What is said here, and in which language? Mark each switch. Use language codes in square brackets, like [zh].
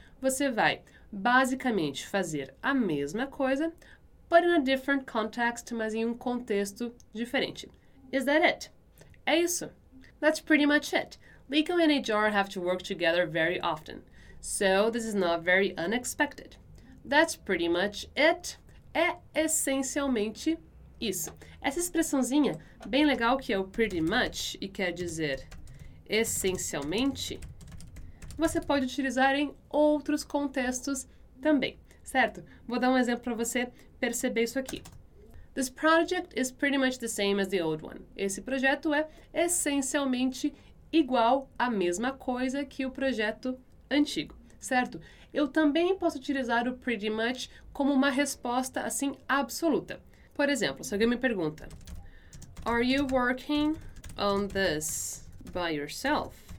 [pt] Você vai basicamente fazer a mesma coisa, [en] but in a different context, [pt] mas em um contexto diferente. [en] Is that it? [pt] É isso. [en] That's pretty much it. Lico and HR have to work together very often, so this is not very unexpected. That's pretty much it. [pt] É essencialmente isso. Essa expressãozinha bem legal que é o pretty much e quer dizer essencialmente, você pode utilizar em outros contextos também, certo? Vou dar um exemplo para você perceber isso aqui. [en] This project is pretty much the same as the old one. [pt] Esse projeto é essencialmente igual à mesma coisa que o projeto antigo, certo? Eu também posso utilizar o pretty much como uma resposta assim absoluta. Por exemplo, se alguém me pergunta, [en] Are you working on this by yourself?